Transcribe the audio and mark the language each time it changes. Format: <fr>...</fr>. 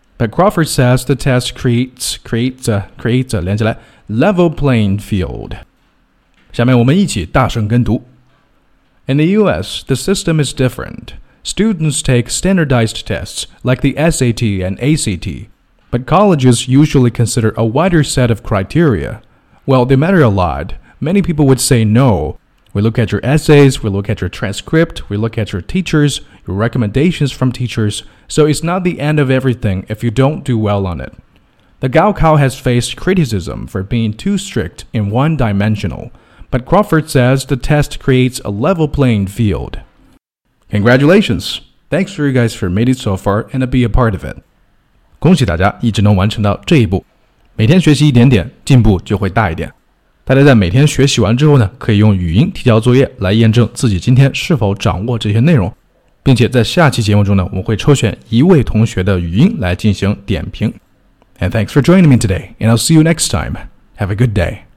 <en>But Crawford says the test creates,</en> <zh>连起来</zh> <en>level playing field.</en> <zh>下面我们一起大声跟读。</zh> <en>In the US, the system is different. Students take standardized tests like the SAT and ACT, but colleges usually consider a wider set of criteria. Well, they matter a lot. Many people would say no. We look at your essays, we look at your transcript, we look at your teachers, your recommendations from teachers, so it's not the end of everything if you don't do well on it. The Gaokao has faced criticism for being too strict in one-dimensional, but Crawford says the test creates a level playing field. Congratulations! Thanks for you guys for made it so far and to be a part of it.</en> <zh>恭喜大家一直能完成到这一步。每天学习一点点，进步就会大一点。大家在每天学习完之后呢，可以用语音提交作业来验证自己今天是否掌握这些内容，并且在下期节目中呢，我们会抽选一位同学的语音来进行点评。</zh> <en>And thanks for joining me today, and I'll see you next time. Have a good day.</en>